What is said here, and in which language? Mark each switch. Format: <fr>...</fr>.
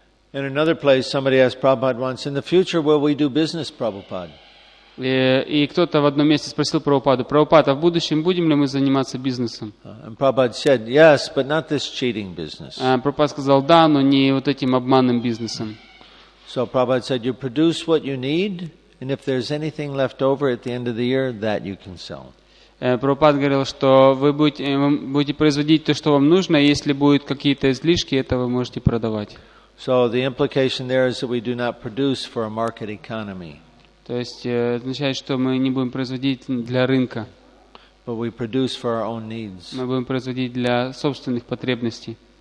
<en>In another place, somebody asked Prabhupada once, in the future, will we do business, Prabhupada?</en> <ru>И кто-то в одном месте спросил Прабхупаду: «Прабхупада, а в будущем будем ли мы заниматься бизнесом?» Прабхупада сказал: «Да, но не вот этим обманным бизнесом».</ru> <en>So Prabhupada said, you produce what you need, and if there's anything left over at the end of the year, that you can sell.</en> <ru>Прабхупада говорил, что вы будете производить то, что вам нужно, и если будут какие-то излишки, это вы можете продавать.</ru> <en>So the implication there is that we do not produce for a market economy.</en> <ru>То есть означает, что мы не будем производить для рынка.</ru> <en>But we produce for our own needs.</en> <ru>Мы будем производить для собственных потребностей.</ru>